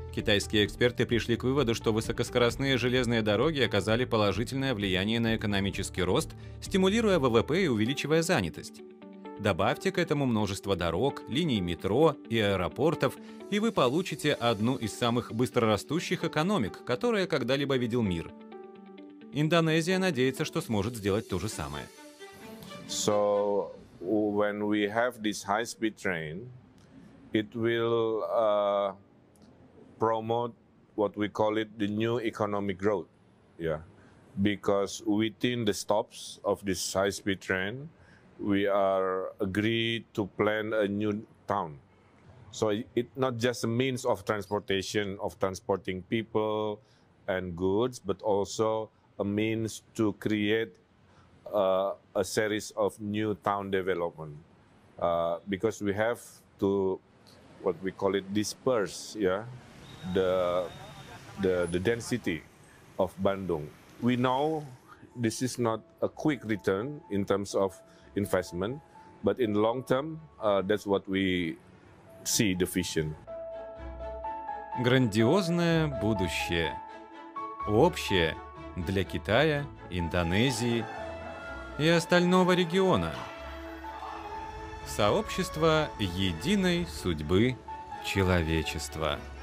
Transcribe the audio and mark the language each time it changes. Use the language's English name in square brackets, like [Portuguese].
[Russian] Китайские эксперты пришли к выводу, что высокоскоростные железные дороги оказали положительное влияние на экономический рост, стимулируя ВВП и увеличивая занятость. Добавьте к этому множество дорог, линий метро и аэропортов, и вы получите одну из самых быстрорастущих экономик, которую когда-либо видел мир. Индонезия надеется, что сможет сделать то же самое. [English] So when we have this high-speed train, it will promote what we call it the new economic growth. Yeah, because within the stops of this high-speed train, we are agreed to plan a new town. So it's not just a means of transportation, of transporting people and goods, but also a means to create a series of new town development because we have to what we call it disperse the density of Bandung. We know this is not a quick return in terms of investment, but in long term that's what we see the vision. [Russian] Грандиозное будущее общее для Китая, Индонезии и остального региона. Сообщество единой судьбы человечества.